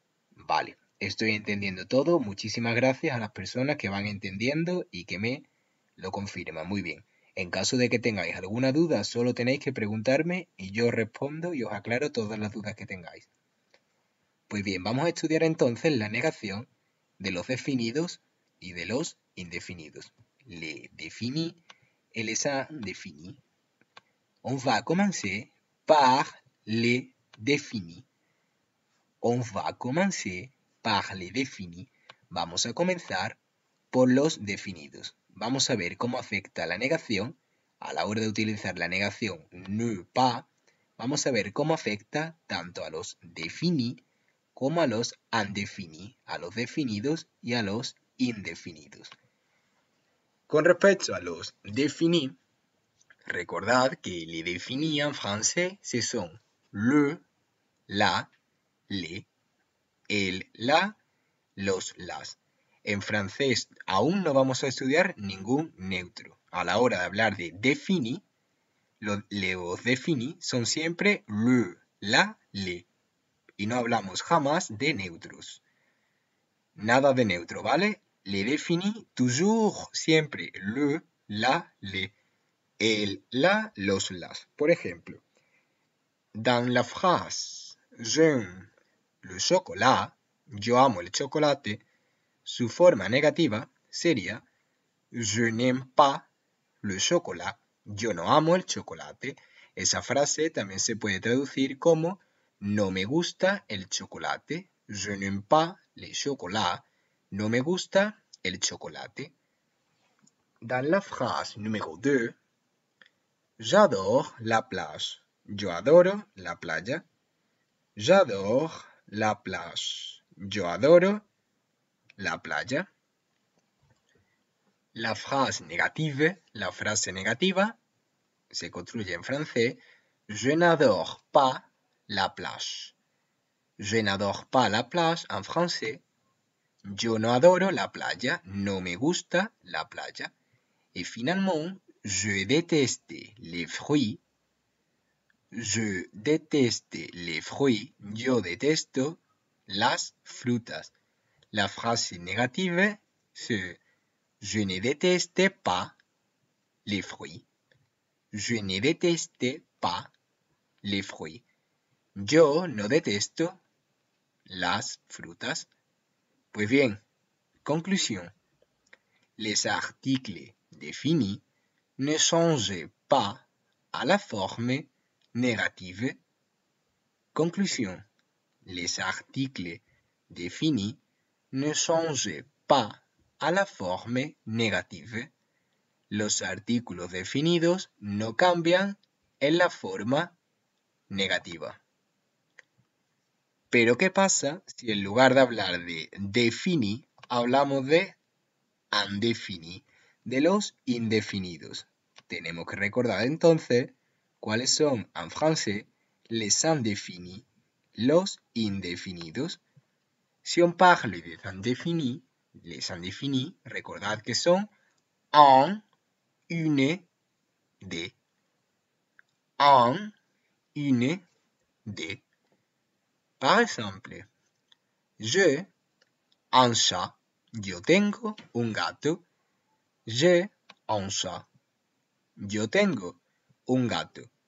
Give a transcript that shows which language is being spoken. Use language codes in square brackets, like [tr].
[es] Vale, estoy entendiendo todo. Muchísimas gracias a las personas que van entendiendo y que me lo confirman. Muy bien. En caso de que tengáis alguna duda, solo tenéis que preguntarme y yo respondo y os aclaro todas las dudas que tengáis. Pues bien, vamos a estudiar entonces la negación de los definidos y de los indefinidos. [fr] Le défini, elle est défini. On va commencer par le défini. On va commencer par le défini. [es] Vamos a comenzar por los definidos. Vamos a ver cómo afecta la negación a la hora de utilizar la negación ne pas. Vamos a ver cómo afecta tanto a los défini como a los indéfini, a los definidos y a los indefinidos. Con respecto a los défini, recordad que [fr] les définis en français, ce sont [es] le, la, les, el, la, los, las. En francés aún no vamos a estudiar ningún neutro. A la hora de hablar de défini, los défini son siempre le, la, le. Y no hablamos jamás de neutros. Nada de neutro, ¿vale? [fr] Le défini, toujours, siempre, le, la, le. [es] El, la, los, las. Por ejemplo, [fr] dans la phrase, j'aime le chocolat, [es] yo amo el chocolate, su forma negativa sería [fr] je n'aime pas le chocolat, [es] yo no amo el chocolate. Esa frase también se puede traducir como no me gusta el chocolate. [fr] Je n'aime pas le chocolat. [es] No me gusta el chocolate. [fr] Dans la phrase numéro 2, j'adore la plage. [es] Yo adoro la playa. [fr] J'adore la plage. [es] Yo adoro la playa. [fr] La phrase negative, [es] la frase negativa, se construye en francés. [fr] Je n'adore pas la plage. Je n'adore pas la plage en français. [es] Yo no adoro la playa. No me gusta la playa. Y [fr] finalement, je déteste les fruits. Je déteste les fruits. [es] Yo detesto las frutas. La frase negativa es [fr] je ne déteste pas les fruits. Je ne déteste pas les fruits. [es] Yo no detesto las frutas. Pues bien, conclusión. [fr] Les articles définis ne changent pas à la forme négative. Conclusión. Les articles définis ne changent pas à la forme négative. [es] Los artículos definidos no cambian en la forma negativa. Pero, ¿qué pasa si en lugar de hablar de défini, hablamos de indéfini, de los indefinidos? Tenemos que recordar entonces cuáles son, en francés, les indéfinis, los indefinidos. [fr] Si on parle de indéfinis, les indéfinis, [es] recordad que son [fr] un, une, de. Un, une, de. Par exemple, j'ai un chat, [es] yo tengo un gato, [fr] j'ai un chat, yo tengo un gato.